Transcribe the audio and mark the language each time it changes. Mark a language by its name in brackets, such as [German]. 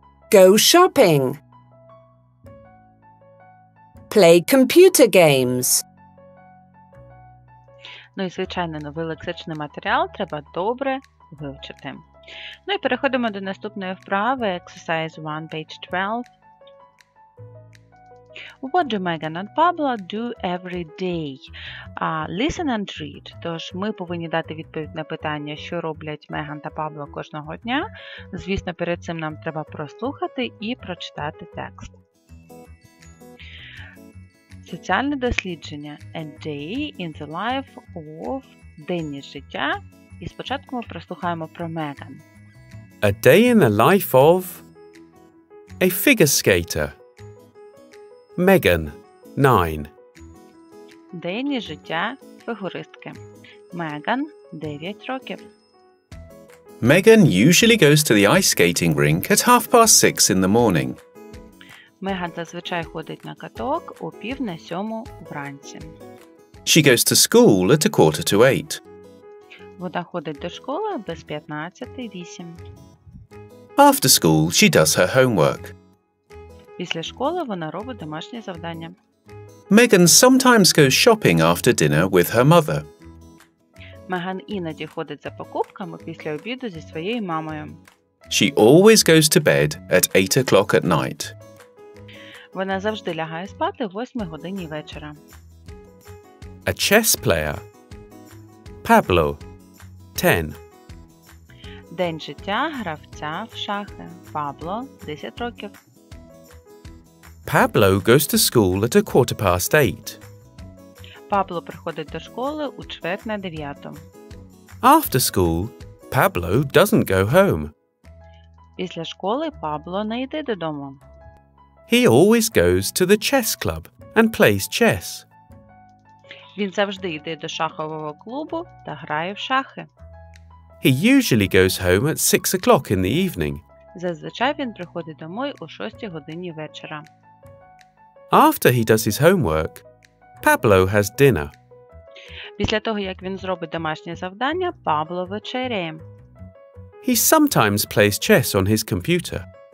[English] Go shopping. Play computer games. [Ukrainian] Ну і, звичайно, новий лексичний матеріал треба добре вивчити. Ну і переходимо до наступної вправи. [English] Exercise 1, page 12. What do Megan and Pablo do every day? Listen and read. [Ukrainian] Тож, ми повинні дати відповідь на питання, що роблять Меган та Пабло кожного дня. Звісно, перед цим нам треба прослухати і прочитати текст. Соціальне дослідження [English] «A day in the life of» [Ukrainian] – «Денні життя». І спочатку ми прослухаємо про Меган. [English] «A day in the life of» – «A figure skater» – Меган, 9. [Ukrainian] «Денні життя» – фігуристки. Меган, 9 років. [English] «Меган usually goes to the ice skating rink at 6:30 in the morning». [Ukrainian] Меган зазвичай ходить на каток о 6:30 вранці. [English] She goes to school at 7:45. [Ukrainian] Вона ходить до школи без 8:15. [English] After school, she does her homework. [Ukrainian] Після школи вона робить домашнє завдання. [English] Меган sometimes goes shopping after dinner with her mother. [Ukrainian] Меган іноді ходить за покупками після обіду зі своєю мамою. [English] She always goes to bed at 8:00 at night. [Ukrainian] Вона завжди лягає спати о 8:00 вечора. [English] A chess player. Pablo, 10. [Ukrainian] День життя гравця в шахи. Пабло, 10 років. [English] Pablo goes to school at 8:15. [Ukrainian] Пабло приходить до школи у 9:15. [English] After school, Pablo doesn't go home. [Ukrainian] Після школи Пабло не йде додому. [English] He always goes to the chess club and plays chess. [Ukrainian] Він завжди йде до шахового клубу та грає в шахи. [English] He usually goes home at 6:00 in the evening. [Ukrainian] Зазвичай він приходить домой о 6:00 вечора. [English] After he does his homework, Pablo has dinner. [Ukrainian] Після того, як він зробить домашнє завдання, Пабло вечеряє. [English] He sometimes plays chess on his computer.